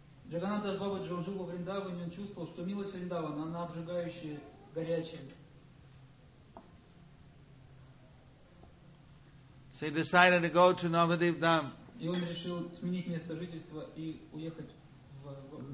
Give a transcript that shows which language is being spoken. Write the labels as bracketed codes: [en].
[ru] Джаганнат дас Бабаджи, он жил во Вриндаване, он чувствовал, что милость Вриндавана, она обжигающая, горячая. [en] So he decided to go to Navadvip Dham. [ru] И он решил сменить место жительства и уехать в